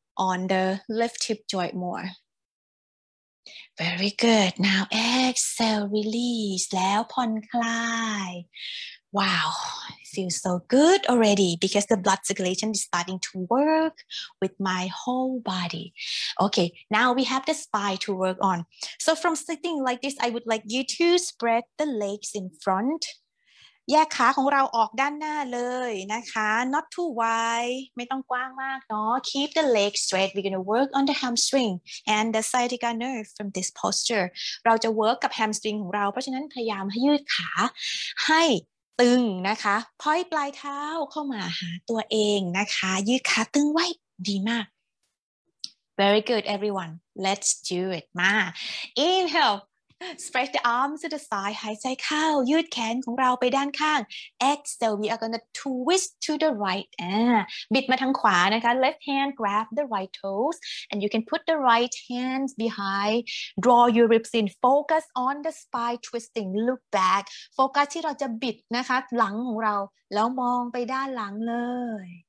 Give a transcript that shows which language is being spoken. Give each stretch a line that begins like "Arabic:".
English: on the left hip joint more Very good Now exhale release
Thai: แล้วผ่อนคลาย
English: Wow, feels so good already because the blood circulation is starting to work with my whole body. Okay, now we have the spine to work on. So from sitting like this, I would like you to spread the legs in front.
Thai: แยกขาของเราออกด้านหน้าเลยนะคะ
English: Not too wide,
Thai: ไม่ต้องกว้างมากเนาะ
English: Keep the legs straight. We're going to work on the hamstring and the sciatica nerve from this posture.
Thai: เราจะ work กับ hamstring ของเราเพราะฉะนั้นพยายามให้ยืดขาให้ตึงนะคะพ้อยปลายเท้าเข้ามาหาตัวเองนะคะยืดขาตึงไว้ดีมาก
English: Very good everyone Let's do it มา Inhale Stretch the arms to the side
Thai: หายใจเข้ายืดแขนของเราไปด้านข้าง
English: Exhale we are gonna twist to the right
Thai: บิดมาทางขวานะคะ
English: Left hand grab the right toes and you can put the right hands behind Draw your ribs in Focus on the spine twisting Look back Focus
Thai: ที่เราจะบิดนะคะหลังของเราแล้วมองไปด้านหลังเลย